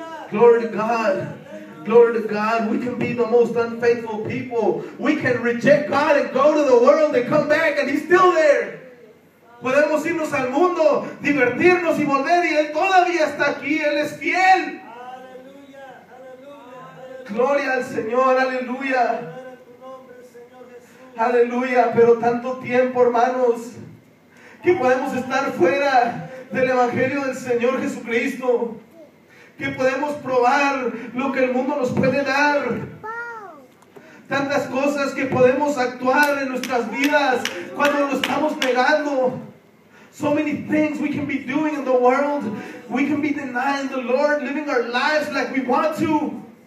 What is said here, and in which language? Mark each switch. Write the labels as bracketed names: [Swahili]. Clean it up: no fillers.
[English] Glory to God. Glory to God. We can be the most unfaithful people. We can reject God and go to the world and come back and he's still there. [Spanish] Podemos irnos al mundo, divertirnos y volver y él todavía está aquí. Él es fiel. Aleluya, aleluya. Gloria al Señor, aleluya. Aleluya. Pero tanto tiempo, hermanos, que podemos estar fuera del Evangelio del Señor Jesucristo. Que podemos probar lo que el mundo nos puede dar. Tantas cosas que podemos actuar en nuestras vidas cuando lo estamos negando. [English] So many things we can be doing in the world. We can be denying the Lord, living our lives like we want to.